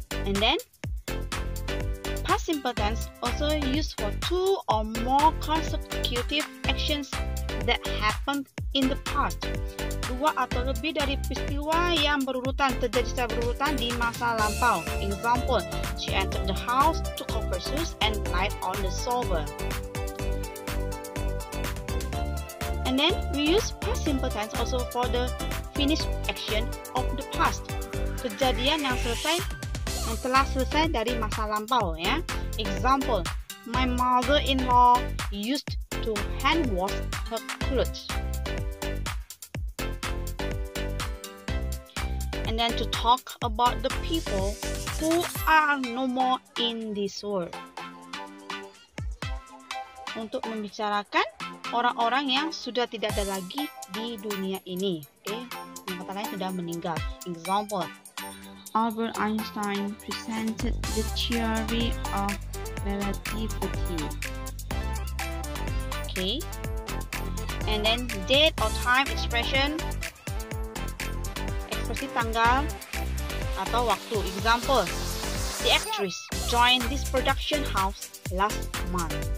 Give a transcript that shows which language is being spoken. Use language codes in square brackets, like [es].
[en] And then past simple tense also used for two or more consecutive actions that happened in the past. [id] Dua atau lebih dari peristiwa yang berurutan terjadi secara berurutan di masa lampau. [en] Example, she entered the house, took off her shoes, and lied on the sofa. And then we use past simple tense also for the finished action of the past. [id] Kejadian yang selesai, yang telah selesai dari masa lampau, ya. [en] Example, my mother-in-law used to hand wash her clothes. And then to talk about the people who are no more in this world. [id] Untuk membicarakan orang-orang yang sudah tidak ada lagi di dunia ini. Oke, yang kata lain sudah meninggal. [en] Example, Albert Einstein presented the theory of relativity. Okay. And then date or time expression. [id] Ekspresi tanggal atau waktu. [en] Example, the actress joined this production house last month.